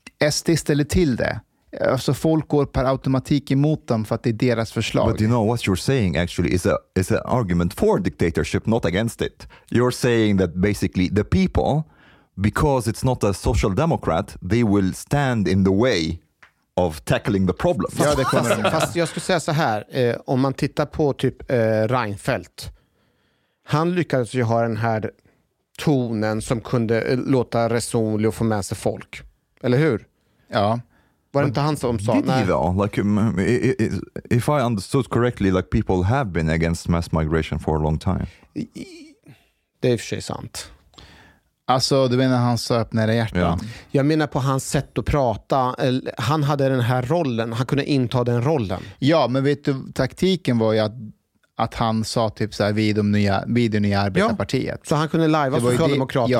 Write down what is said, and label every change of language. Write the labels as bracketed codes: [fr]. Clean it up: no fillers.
[sv] SD ställer till det. Alltså folk går per automatik emot dem för att det är deras förslag. [en] But you know what you're saying actually is an argument for dictatorship, not against it. You're saying that basically the people, because it's not a social democrat, they will stand in the way of tackling the problem. [sv] Ja, det kommer de. Fast jag skulle säga så här, om man tittar på typ Reinfeldt. Han lyckades ju ha den här tonen som kunde låta resonlig och få med sig folk. Eller hur? Ja. Var det inte han som sa? [en] Did he though? Like, if I understood correctly, like people have been against mass migration for a long time. [sv] Det är i och för sig sant. Alltså, du menar han sa öppnade hjärtan? Ja. Jag menar på hans sätt att prata. Han hade den här rollen. Han kunde inta den rollen. Ja, men vet du, taktiken var ju att han sa typ så här, vid det nya arbetarpartiet. Ja, så han kunde live av Socialdemokraterna.